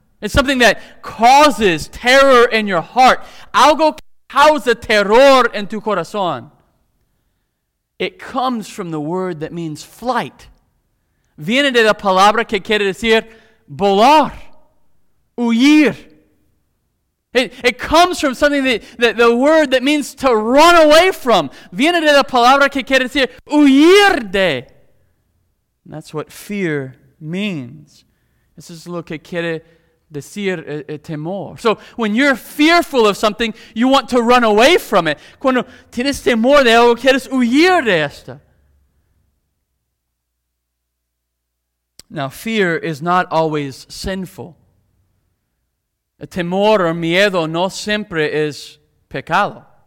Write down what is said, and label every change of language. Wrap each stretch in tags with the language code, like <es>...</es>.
<en>It's something that causes terror in your heart.</en> <es>Algo que causa terror en tu corazón.</es> <en>It comes from the word that means flight.</en> <es>Viene de la palabra que quiere decir volar, huir.</es> <en>It comes from something that the word that means to run away from.</en> <es>Viene de la palabra que quiere decir huir de.</es> <en>And that's what fear means. This is</en> <es>lo que quiere decir temor.</es> <en>So when you're fearful of something, you want to run away from it.</en> <es>Cuando tienes temor de algo, quieres huir de esto.</es> <en>Now, fear is not always sinful.</en> <es>A temor or miedo no siempre es pecado.</es>